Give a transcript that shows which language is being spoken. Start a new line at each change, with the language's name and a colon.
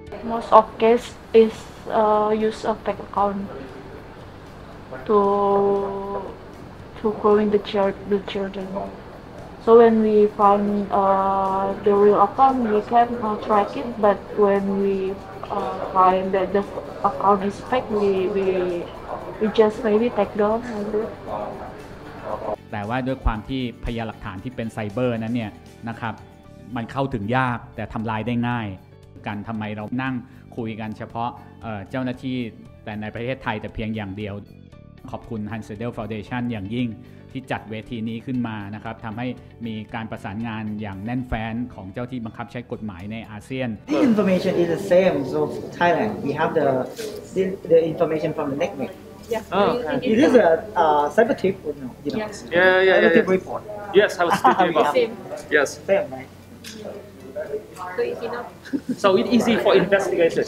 English: Most of case is use a fake account to growing the children. So when we found the real account, we can track it. But when we find that the account is fake, we just maybe take down.
Thai: แต่ว่าด้วยความที่พยานหลักฐานที่เป็นไซเบอร์นั้นเนี่ยนะครับมันเข้าถึงยากแต่ทำลายได้ง่ายการทำไมเรานั่งคุยกันเฉพาะเจ้าหน้าที่แต่ในประเทศไทยแต่เพียงอย่างเดียวขอบคุณ Hans Edel Foundation อย่างยิ่งที่จัดเวทีนี้ขึ้นมานะครับทำให้มีการประสานงานอย่างแน่นแฟ้นของเจ้าที่บังคับใช้กฎหมายในอาเซียน
English: The information is the same so Thailand we have the information from the network Yes it is a cyber tip you know Yeah. report Yes I was thinking about Yes same right So it's easy for investigators.